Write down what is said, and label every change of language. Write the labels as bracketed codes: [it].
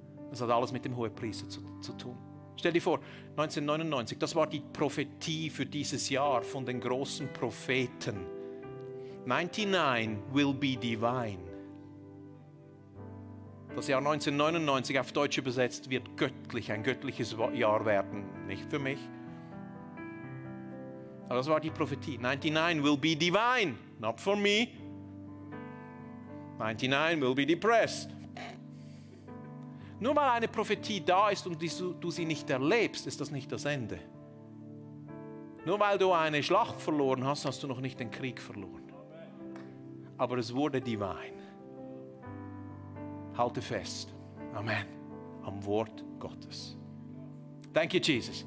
[de] Das hat alles mit dem Hohepriester zu tun. Stell dir vor, 1999, das war die Prophetie für dieses Jahr von den großen Propheten. [en] 99 will be divine. [de] Das Jahr 1999 auf Deutsch übersetzt wird göttlich, ein göttliches Jahr werden. Nicht für mich. Aber das war die Prophetie. [en] 99 will be divine, not for me. 99 will be depressed. [de] Nur weil eine Prophetie da ist und du sie nicht erlebst, ist das nicht das Ende. Nur weil du eine Schlacht verloren hast, hast du noch nicht den Krieg verloren. Aber es wurde divine. Halte fest, Amen, am Wort Gottes. [en] Thank you, Jesus.